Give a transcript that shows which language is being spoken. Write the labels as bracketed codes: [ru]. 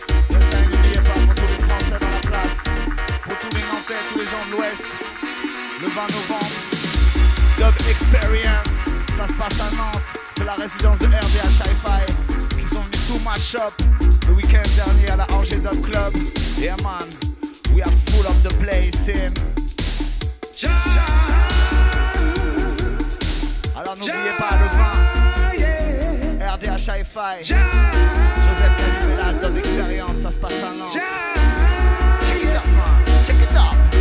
[fr] Just un billet pas pour tous les Français dans la place. Pour tous les Nantais, tous les gens de l'Ouest. Le 20 novembre, Dub Experience. Ça se passe à Nantes. C'est la résidence de RDH Hi-Fi. Qui sont venus tout mash-up le week-end dernier à la RG Dub Club. [en] Yeah man, we are full of the place in Jaja. [fr] Alors n'oubliez pas le 20 RDH Hi-Fi. Joseph Lévi-Mélal, Dub Experience. Ça se passe à Nantes. [en] Check it out man, check it out.